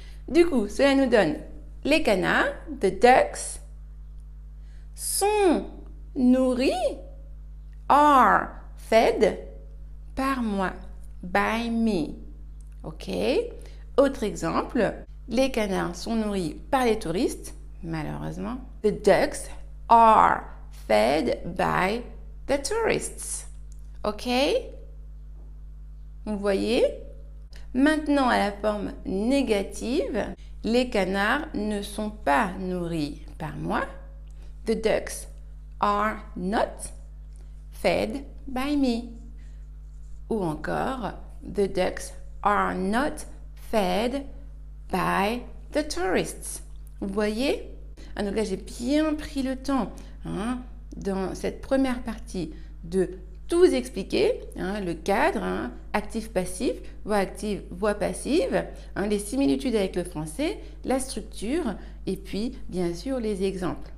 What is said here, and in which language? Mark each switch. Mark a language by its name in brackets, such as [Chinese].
[French] Du coup, cela nous donne les canards, [English] the ducks, [French] sont nourris, [English] are fed, [French] par moi, [English] by me. [French] Ok? Autre exemple, les canards sont nourris par les touristes, malheureusement. [English] The ducks are fed by the tourists. Ok? [French] Vous voyez, maintenant à la forme négative, les canards ne sont pas nourris par moi. [English] The ducks are not fed by me. [French] Ou encore, [English] the ducks are not fed by the tourists. [French] Vous voyez, donc là j'ai bien pris le temps hein, dans cette première partie de tout vous expliquer, hein, le cadre, hein, actif-passif, voix active, voix passive, hein, les similitudes avec le français, la structure et puis bien sûr les exemples.